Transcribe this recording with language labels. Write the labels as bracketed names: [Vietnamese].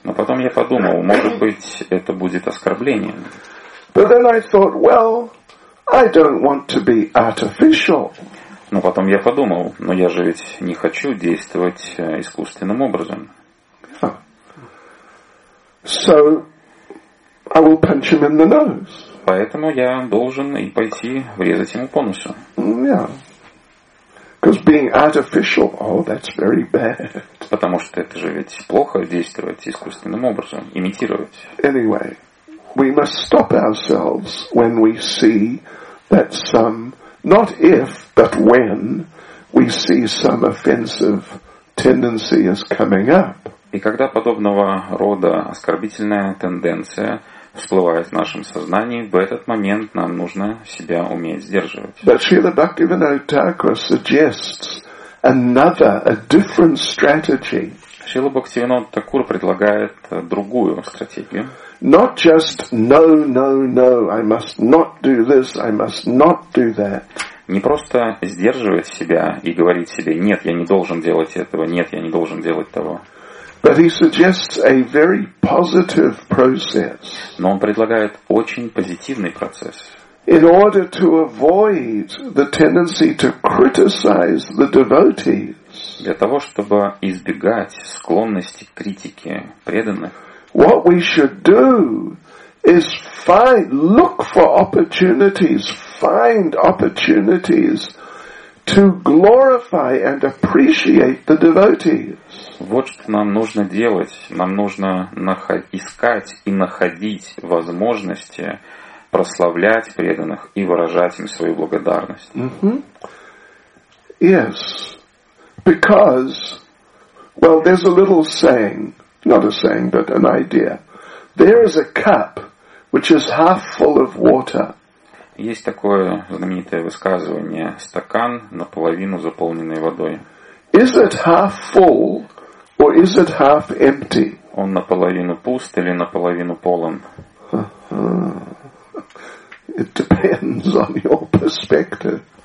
[Russian] Но потом я подумал, может быть, это будет оскорблением. [English] But then I thought, well, I don't want to be artificial. [Russian] Но потом я подумал, но я же ведь не хочу действовать искусственным образом. [English] So I will punch him in the nose. [Russian] Поэтому я должен и пойти врезать ему по носу. [English] Because being artificial, oh, that's very bad. [Russian] Потому что это же ведь плохо действовать искусственным образом, имитировать. [English] Anyway, we must stop ourselves when we see that some, not if, but when we see some offensive tendency is coming up. [Russian] И когда подобного рода оскорбительная тенденция всплывает в нашем сознании, в этот момент нам нужно себя уметь сдерживать. [English] But Srila Bhaktivinoda Thakur suggests another, a different strategy. [Russian] Srila Bhaktivinoda Thakur предлагает другую стратегию. [English] Not just no, no, no, I must not do this, I must not do that. [Russian] Не просто сдерживать себя и говорить себе: нет, я не должен делать этого, нет, я не должен делать того. [English] But he suggests a very positive process. [Russian] Но он предлагает очень позитивный процесс. [English] In order to avoid the tendency to criticize the devotees. [Russian] Для того, чтобы избегать склонности к критике преданных. [English] What we should do is find opportunities to glorify and appreciate the devotees. [Russian] Вот что нам нужно делать. Нам нужно искать и находить возможности прославлять преданных и выражать им свою благодарность. Mm-hmm. [English] Yes, because, well, there's a little saying, not a saying, but an idea. There is a cup which is half full of water. [Russian] Есть такое знаменитое высказывание: стакан наполовину заполненный водой. [English] Is it half full or is it half empty? [Russian] Он наполовину пуст или наполовину полон? [English] It depends on your perspective.